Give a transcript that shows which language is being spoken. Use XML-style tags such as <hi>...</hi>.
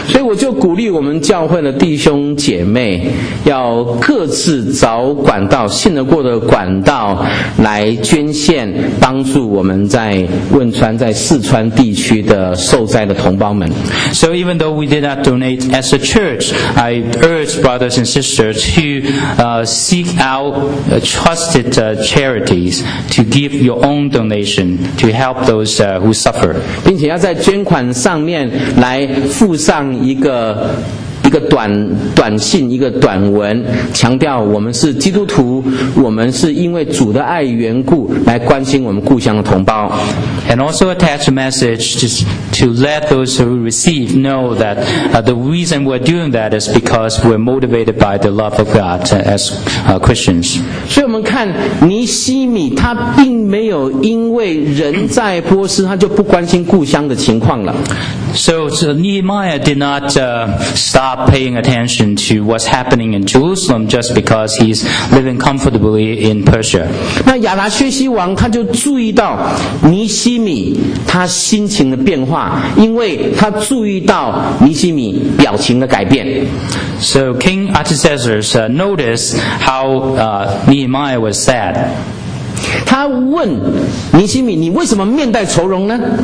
<zh>所以我就鼓励我们教会的弟兄姐妹要各自找管道信得过的管道来捐献帮助我们在汶川在四川地区的受灾的同胞们。</zh> <en>So even though we did not donate as a church, I urge brothers and sisters to seek out trusted charities to give your own donation to help those who suffer.</en> <zh>并且要在捐款上面来附上一个短信一个短文强调我们是基督徒我们是因为主的爱缘故来关心我们故乡的同胞</zh> <en>and also attach a message to let those who receive know that the reason we're doing that is because we're motivated by the love of God as Christians</en> <zh>所以我们看尼希米他并没有因为人在波斯他就不关心故乡的情况了</zh> <en>so Nehemiah did not stopPaying attention to what's happening in Jerusalem just because he's living comfortably in Persia.</en> <zh>那亚达薛西王他就注意到尼希米他心情的变化，因为他注意到尼希米表情的改变。</zh> <en>So King Artaxerxes noticed how Nehemiah was sad.</en> <zh>他问尼希米，你为什么面带愁容呢</zh>